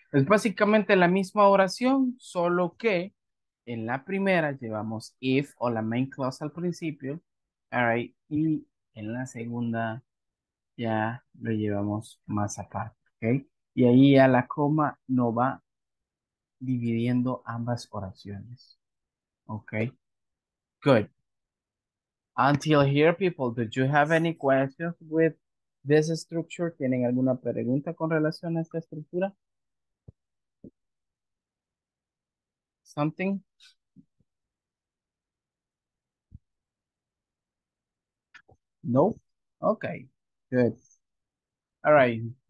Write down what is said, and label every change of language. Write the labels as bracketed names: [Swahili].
[Spanish] Es básicamente la misma oración, solo que en la primera llevamos if o la main clause al principio. All right, y en la segunda ya lo llevamos más aparte. Okay? Y ahí ya la coma no va dividiendo ambas oraciones. Okay? [English] Good. Until here, people, did you have any questions with this structure? [Spanish] ¿Tienen alguna pregunta con relación a esta estructura? [English] Something? No? Okay. Good. All right.